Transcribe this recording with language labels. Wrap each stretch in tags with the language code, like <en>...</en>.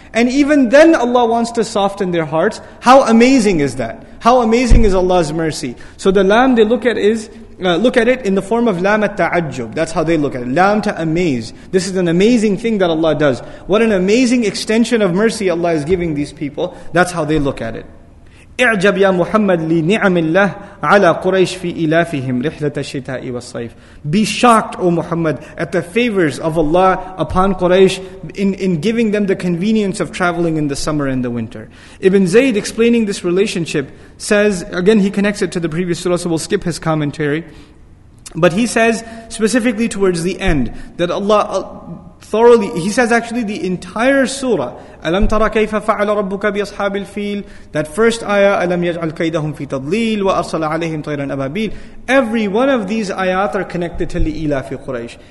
<en>And even then Allah wants to soften their hearts. How amazing is that? How amazing is Allah's mercy? So the lam they look at is, look at it in the form of lam at ta'ajjub. That's how they look at it. Lam to amaze. This is an amazing thing that Allah does. What an amazing extension of mercy Allah is giving these people. That's how they look at it.</en> <ar>اعجب يا محمد لنعم الله على قريش في إلافهم رحلة الشتاء والصيف.</ar> <en>Be shocked, O Muhammad, at the favors of Allah upon Quraysh in giving them the convenience of traveling in the summer and the winter. Ibn Zayd, explaining this relationship, says, again he connects it to the previous surah, so we'll skip his commentary. But he says, specifically towards the end, that Allah thoroughly, he says actually the entire surah,</en> <ar>أَلَمْ تَرَ كَيْفَ فَعَلَ رَبُّكَ بِأَصْحَابِ الْفِيلِ,</ar> <en>that first ayah,</en> <ar>أَلَمْ يَجْعَلْ كَيْدَهُمْ فِي تَضْلِيلِ وَأَرْسَلَ عَلَيْهِمْ طَيْرًا أَبَابِيلِ,</ar> <en>every one of these ayat are connected to</en> <ar>لِإِلَافِ قُرَيْشِ.</ar>